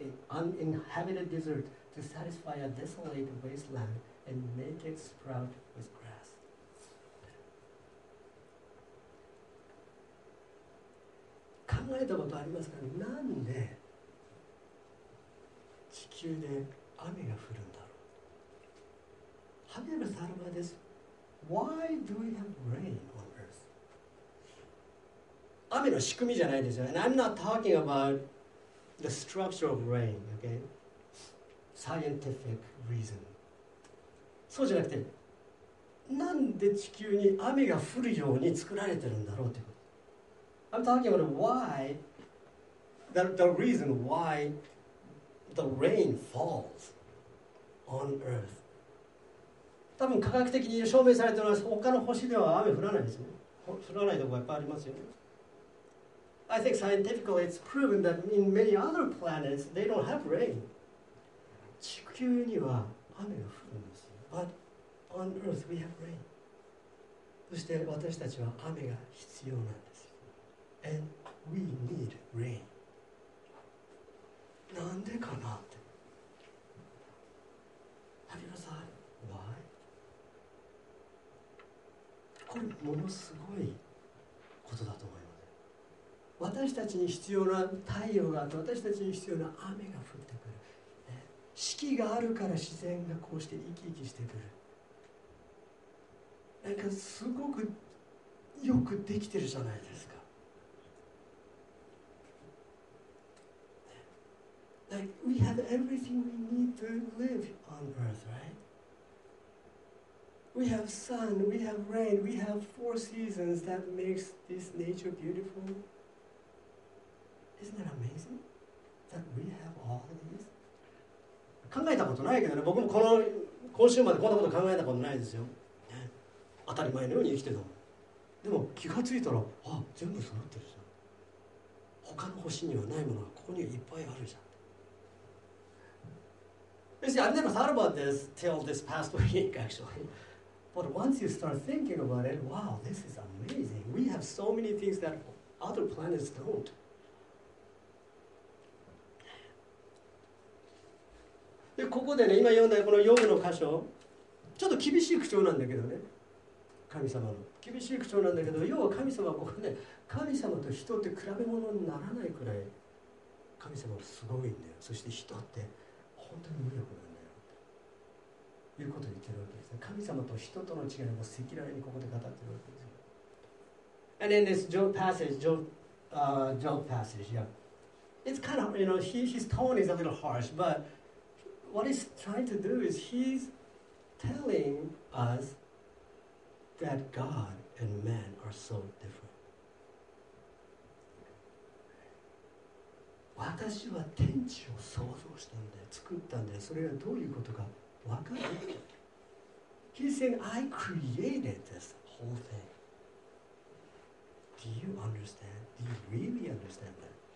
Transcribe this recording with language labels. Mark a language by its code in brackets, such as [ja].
[en] Uninhabited desert to satisfy a desolate wasteland and make it sprout with grass. [ja] 考えたことありますか？なんで地球で雨が降るんだろう？ [en] Have you ever thought about this? Why do we have rain on earth? [ja] 雨の仕組みじゃないですよ。 [en] And I'm not talking aboutThe structure of rain, okay? Scientific reason. [ja] そうじゃなくて、なんで地球に雨が降るように作られてるんだろうってこと。 [en] I'm talking about why, the reason why the rain falls on Earth. [ja] 多分科学的に証明されてるのは他の星では雨降らないですね。降らないとこがいっぱいありますよね。 [en] I think scientifically it's proven that in many other planets they don't have rain. [ja] 地球には雨が降るんですよ。 [en] But on Earth we have rain. [ja] そして私たちは雨が必要なんです。 [en] And we need rain. [ja] なんでかなって。 [en] Have you ever thought why? [ja] これものすごいことだと思います。私たちに必要な太陽があって、私たちに必要な雨が降ってくる、ね、四季があるから自然がこうして生き生きしてくる。なんかすごくよくできてるじゃないですか。 [en] Like, we have everything we need to live on earth, right? We have sun, we have rain, we have four seasons that makes this nature beautifulIsn't that amazing that we have all these? [ja] 考えたことないけどね。僕もこの今週までこんなこと考えたことないですよ。当たり前のように生きてたもん。でも気がついたら、あ、全部揃ってるじゃん。他の星にはないものがここにはいっぱいあるじゃん。 [en] You see, I've never thought about this till this past week, actually. But once you start thinking about it, wow, this is amazing. We have so many things that other planets don't. [ja] でここでね、今読んだこのヨブの箇所、ちょっと厳しい口調なんだけどね、神様の厳しい口調なんだけど、要は神様はここね、神様と人って比べ物にならないくらい神様はすごいんだよ、そして人って本当に無力なんだよということを言ってるわけですね。神様と人との違いも赤裸々にここで語ってるわけですよ。 [en] And in this Job passage, Job Job passage, yeah. It's kind of, you know, his tone is a little harsh, but what he's trying to do is he's telling us that God and man are so different. [ja] 私は天地を創造したんで、作ったんで、それがどういうことか分かる。 [en] He's saying, I created this whole thing. Do you understand? Do you really understand that?